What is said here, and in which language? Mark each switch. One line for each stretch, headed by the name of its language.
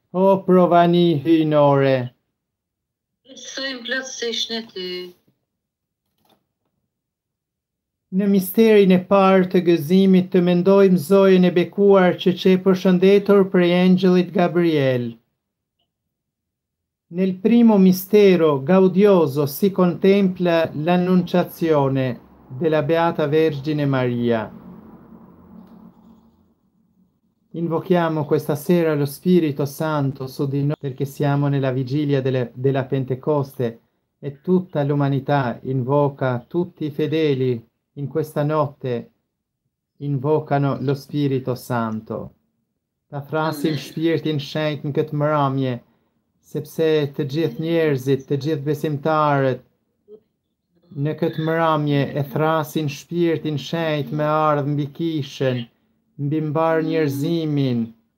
Albanian: O provani hyjnore, Besojmë plotësisht në ty. në misterin e parë të gëzimit të mendojmë Zojën e bekuar që çe përshëndetur prej engjëllit Gabriel.
Italian: Nel primo mistero gaudioso si contempla l'annunciazione della Beata Vergine Maria. Invochiamo questa sera lo Spirito Santo su di noi perché siamo nella vigilia della Pentecoste e tutta l'umanità invoca, tutti i fedeli in questa notte invocano lo Spirito Santo.
Albanian: Ta thrasim Amen. shpirtin shenjt në këtë mbrëmje, sepse të gjithë njerëzit, të gjithë besimtarët në këtë mbrëmje e thrasin shpirtin shenjt me ardhmë mbi kishën, mbi mbar njerëzimin.